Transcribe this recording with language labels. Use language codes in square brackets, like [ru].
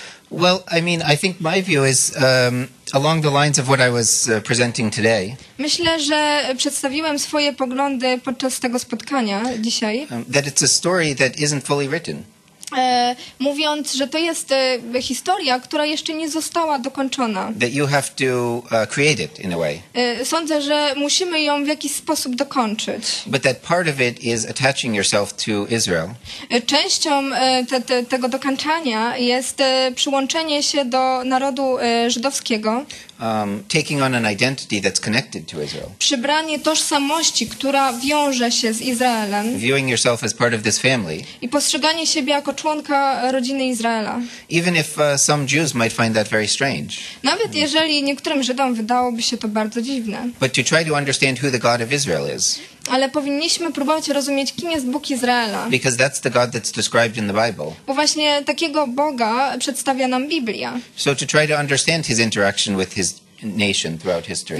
[en] Well, I mean, I think my view is along the lines of what I was presenting today. [pl] Myślę, że przedstawiłem swoje poglądy podczas tego spotkania dzisiaj. [en] That it's a story that isn't fully written. [pl] Mówiąc, że to jest historia, która jeszcze nie została dokończona. [en] That you have to create it in a way. [pl] Sądzę, że musimy ją w jakiś sposób dokończyć. [en] But that part of it is attaching yourself to Israel. [pl] Częścią tego dokończania jest przyłączenie się do narodu żydowskiego. [en] Taking on an identity that's connected to Israel. [pl] Przybranie tożsamości, która wiąże się z Izraelem. [en] Viewing yourself as part of this family. [pl] I postrzeganie siebie jako członka rodziny Izraela. [en] Even if some Jews might find that very strange. [pl] Nawet jeżeli niektórym Żydom wydałoby się to bardzo dziwne. [en] But to try to understand who the God of Israel is. [pl] Ale powinniśmy próbować rozumieć, kim jest Bóg Izraela. [en] Because that's the God that's described in the Bible. [pl] Bo właśnie takiego Boga przedstawia nam Biblia. [en] So to try to understand his interaction with his nation throughout history.